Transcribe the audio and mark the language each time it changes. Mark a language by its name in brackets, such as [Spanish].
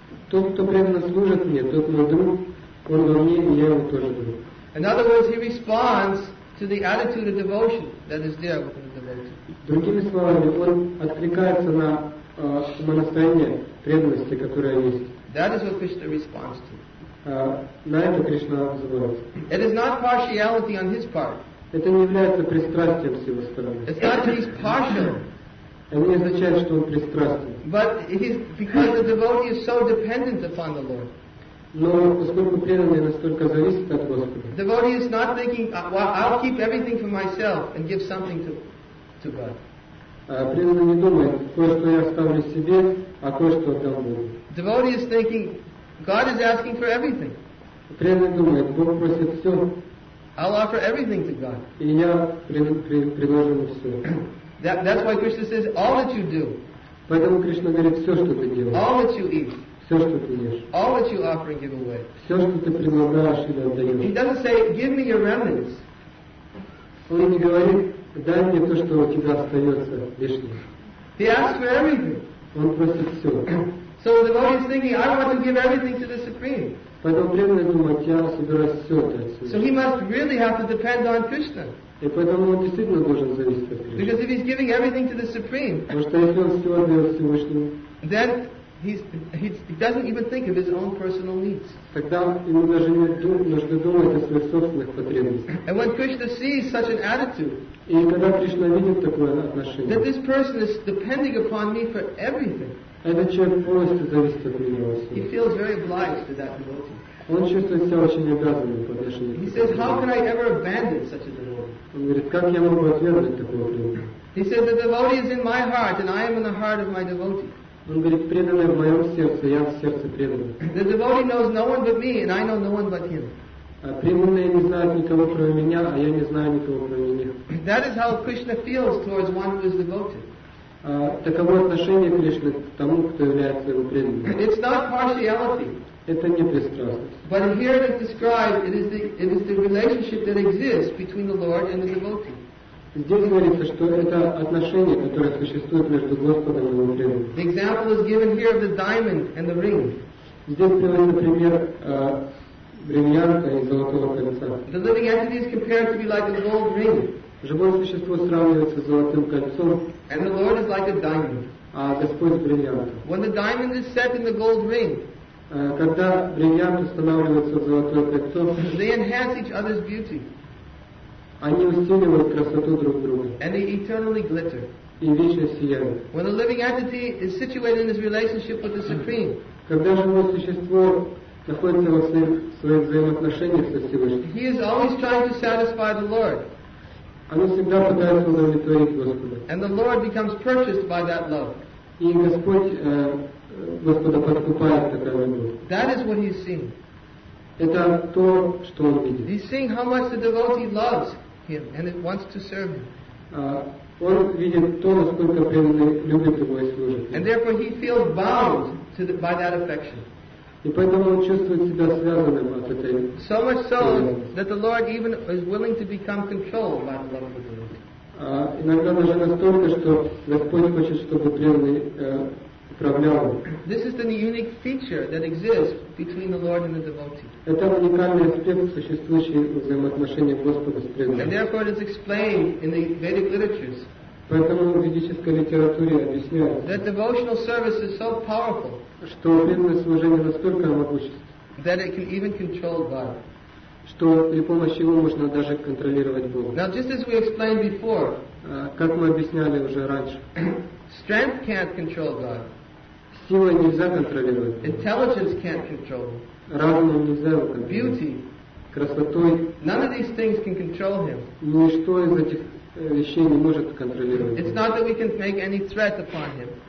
[Russian] Тот, кто преданно служит мне, тот мой друг, он во мне, и я его тоже друг. [English] In other words, he responds to the attitude of devotion that is there within the devotee. [Russian] Другими словами, он откликается на самонастроение преданности, которое есть. [English] That is what Krishna responds to. [Russian] на это Кришна взывает. [English] It is not partiality on his part. [Russian] Это не является пристрастием с его стороны. [English] It's not that he's partial. [Russian] Это не означает, что он пристрастен. [English] But it is because the devotee is so dependent upon the Lord. [Russian] Но поскольку преданный настолько зависит от Господа. [English] The devotee is not thinking, well, I'll keep everything for myself and give something to God. [Russian] Преданный не думает, кое-что я оставлю себе, а кое-что отдам Богу. [English] Devotee is thinking, God is asking for everything. [Russian] Преданный думает, Бог просит все. [English] I'll offer everything to God. [Russian] И я предложу ему все. [English] That's why Krishna says, all that you do. [Russian] Поэтому Кришна говорит, все, что ты делаешь. [English] All that you eat. [Russian] Все, что ты ешь. [English] All that you offer and give away. [Russian] Все, что ты предлагаешь или отдаешь. [English] He doesn't say, give me your remnants. [Russian] Он не говорит, дай мне то, что у тебя остается лишним. [English] He asks for everything. [Russian] Он просит все. [English] So the devotee is thinking, I want to give everything to the Supreme. [Russian] Поэтому преданный думает, я собираюсь все отдать. [English] So he must really have to depend on Krishna. [Russian] И поэтому он действительно должен зависеть от Кришны. [English] Because if he's giving everything to the Supreme, [Russian] потому что если он все отдает Всевышнему, [English] then he doesn't even think of his own personal needs. [Russian] Тогда ему даже нет нужды думать о своих собственных потребностях. [English] And when Krishna sees such an attitude, [Russian] и когда Кришна видит такое отношение, [English] that this person is depending upon me for everything, [Russian] этот человек полностью зависит от меня во всем. [English] He feels very obliged to that devotee. [Russian] Он чувствует себя очень обязанным по отношению к нему. [English] He says, how can I ever abandon such a devotee? [Russian] Он говорит, как я могу отвергнуть такого преданного? [English] He says, the devotee is in my heart, and I am in the heart of my devotee. [Russian] Он говорит, преданный в моем сердце, я в сердце преданного. [English] The devotee knows no one but me, and I know no one but him. [Russian] Преданные не знают никого кроме меня, а я не знаю никого кроме них. [English] That is how Krishna feels towards one who is devoted. [Russian] Таково отношение Кришны к тому, кто является его преданным. [English] It's not partiality. [Russian] Это не пристрастность. [English] But here it is described, it is the relationship that exists between the Lord and the devotee. [Russian] Здесь говорится, что это отношение, которое существует между Господом и его преданным. [English] The example is given here of the diamond and the ring. [Russian] Здесь приводится пример бриллианта и золотого кольца. [English] The living entity is compared to be like a gold ring. [Russian] Живое существо сравнивается с золотым кольцом. [English] And the Lord is like a diamond. [Russian] А Господь бриллиант. [English] When the diamond is set in the gold ring, [Russian] когда бриллиант устанавливается в золотое кольцо, [English] they enhance each other's beauty. [Russian] Они усиливают красоту друг друга. [English] And they eternally glitter. [Russian] И вечно сияют. [English] When the living entity is situated in his relationship with the Supreme, [Russian] когда живое существо находится во всех своих взаимоотношениях со Всевышним, [English] he is always trying to satisfy the Lord. [Russian] Оно всегда пытается удовлетворить Господа. [English] And the Lord becomes purchased by that love. [Russian] И Господа подкупает такая любовь. [English] That is what he's seeing. [Russian] Это то, что он видит. [English] He's seeing how much the devotee loves him and it wants to serve him. [Russian] Он видит то, насколько преданный любит его и служит. [English] And therefore he feels bound to by that affection. [Russian] И поэтому он чувствует себя связанным от этой. [English] So much so that the Lord even is willing to become controlled by the love of the devotee. [Russian] Иногда даже настолько, что Господь хочет, чтобы преданный управлял. [English] This is the unique feature that exists between the Lord and the devotee. [Russian] Это уникальный аспект, существующий в взаимоотношениях Господа с преданным. [English] And therefore it is explained in the Vedic literatures. [Russian] Поэтому в ведической литературе объясняется, [English] that devotional service is so powerful, [Russian] что преданное служение настолько могущественно, [English] that it can even control God, [Russian] что при помощи его можно даже контролировать Бога. [English] Now, just as we explained before, [Russian] как мы объясняли уже раньше, [English] strength can't control God. [Russian] Сила нельзя контролировать Бога. [English] Intelligence can't control him. [Russian] Разумом нельзя его контролировать. [English] Beauty. [Russian] Красотой. [English] None of these things can control him. [Russian] Ничто из этих вещей не может контролировать Бога. [English] It's not that we can make any threat upon him.